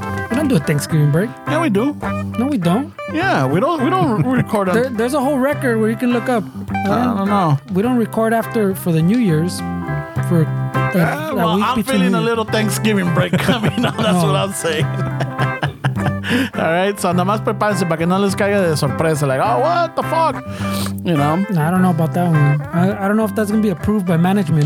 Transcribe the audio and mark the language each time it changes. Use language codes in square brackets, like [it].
[en] We don't do a Thanksgiving break. Yeah, we do. No, we don't. Yeah, we don't record it. There's a whole record where you can look up. I don't know. We don't record after for the New Year's. For I'm feeling a little Thanksgiving break coming up. That's what I'm saying. [es] All right, so nada más prepárense para que no les caiga de sorpresa. [en] Like, oh, what the fuck? You know? No, I don't know about that one. I don't know if that's going to be approved by management.